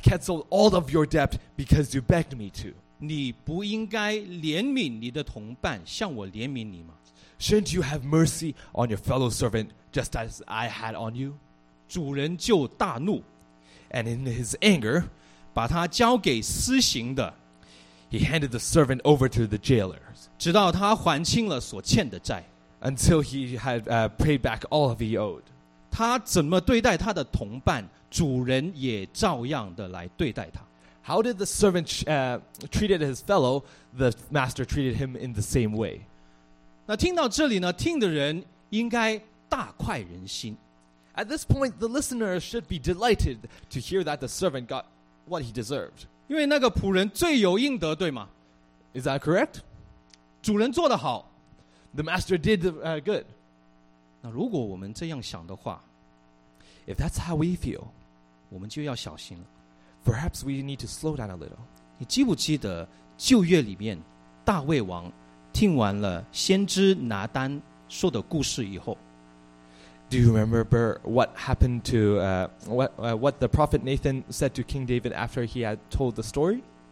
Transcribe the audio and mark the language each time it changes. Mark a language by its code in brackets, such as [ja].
[en] canceled all of your debt because you begged me to. [zh] 你不应该怜悯你的同伴，像我怜悯你吗？ [en] Shouldn't you have mercy on your fellow servant just as I had on you? [zh] 主人就大怒。 [en] And in his anger, [zh] 把他交给私刑的。 [en] He handed the servant over to the jailers. [zh] 直到他还清了所欠的债。 [en] Until he had paid back all of he owed. [zh] 他怎么对待他的同伴, 主人也照样的来对待他。 [en] How did the servant treated his fellow? The master treated him in the same way. [zh] 那听到这里呢, 听的人应该大快人心。 [en] At this point, the listener should be delighted to hear that the servant got what he deserved. [zh] 因为那个仆人罪有应得，对吗？ [en] Is that correct? [zh] 主人做得好。 [en] The master did good. [zh] 那如果我们这样想的话， [en] If that's how we feel, [zh] 我们就要小心了。 [en] Perhaps we need to slow down a little. [zh] 你记不记得旧约里面， 大卫王听完了先知拿单说的故事以后， [en] Do you remember what happened to what the prophet Nathan said to King David after he had told the story?